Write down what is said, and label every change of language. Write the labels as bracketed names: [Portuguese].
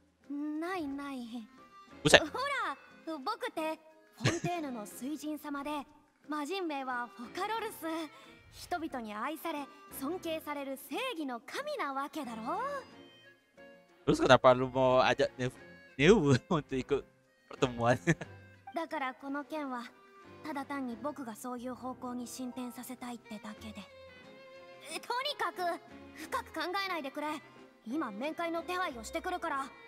[Japanese] ない。うせ。ほら、僕ってフォンテーヌの水神様で、魔人名はフォカロルス。人々に愛され尊敬される正義の神なわけだろ。 [Indonesian] Terus kenapa lu mau ajak Neu untuk ikut pertemuan? [Japanese] だからこの件はただ単に僕がそういう方向に進展させたいってだけで、とにかく深く考えないでくれ。今面会の手配をしてくるから。